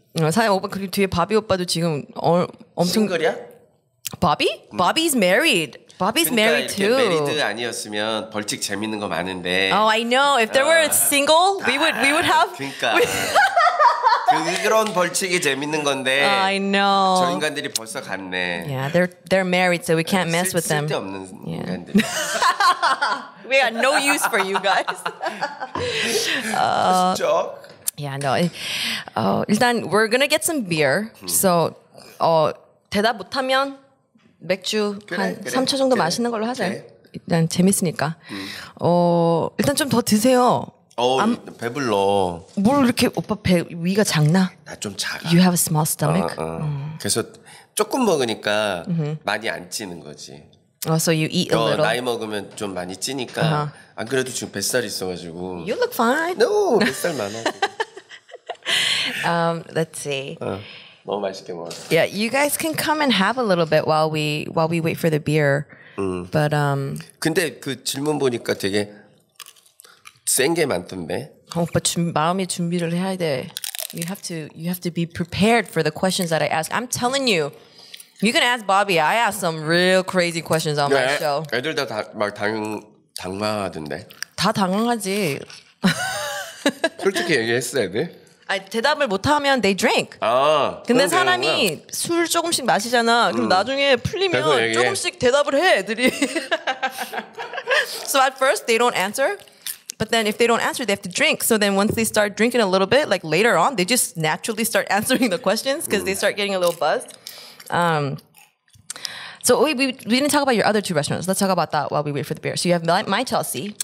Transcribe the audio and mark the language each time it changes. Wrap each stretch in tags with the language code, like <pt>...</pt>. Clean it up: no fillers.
<ko>사장님 오빠 그리고 뒤에 바비 오빠도 지금 엄청. 싱글이야?</ko> <en>바비? 바비's married. Bobby's married too.</en> <ko>메리드 아니었으면 벌칙 재밌는 거 많은데.</ko> <en>Oh, I know. If there were single, we would have.</en> <ko>그러니까. 그런 벌칙이 재밌는 건데.</ko> <en>I know.</en> <ko>저 인간들이 벌써 갔네.</ko> <en>Yeah, they're married, so we can't mess with them.</en> <ko>쓸데없는 인간들.</ko> <en>We got no use for you guys.</en> <ko>진짜?</ko> <en>Yeah, no.</en> <ko>일단</ko> <en>we're gonna get some beer. So,</en> <ko>대답 못하면. 맥주 그래, 3초 정도 그래. 마시는 걸로 하자. 그래. 일단 재밌으니까. 일단 좀 더 드세요. 배불러. 뭘 이렇게 오빠 배 위가 작나? 나 좀 작아.</ko> <en>You have a small stomach.</en> <ko>그래서 조금 먹으니까 많이 안 찌는 거지.</ko> <en>Oh, so you eat a little.</en> <ko>나이 먹으면 좀 많이 찌니까 안 그래도 지금 뱃살 있어가지고.</ko> <en>You look fine. No,</en> <ko>뱃살 많아.</ko> <en>Let's see.</en> <ko>너무 맛있게 먹었어.</ko> <en>Yeah, you guys can come and have a little bit while we wait for the beer. But</en> <ko>근데 그 질문 보니까 되게 센 게 많던데. 오빠 마음의 준비를 해야 돼.</ko> <en>You have to be prepared for the questions that I ask. I'm telling you, you can ask Bobby. I ask some real crazy questions on my show.</en> <ko>애들 다 막 당황하던데. 다 당황하지. 솔직히 얘기했어 애들. 아, 대답을 못하면</ko> <en>they drink.</en> <ko>아, 근데 사람이 술 조금씩 마시잖아. 그럼 나중에 풀리면 조금씩 대답을 해 애들이.</ko> <en>So at first they don't answer. But then if they don't answer, they have to drink. So then once they start drinking a little bit, like later on, they just naturally start answering the questions because they start getting a little buzzed. So we didn't talk about your other two restaurants. Let's talk about that while we wait for the beer. So you have My Chelsea.</en>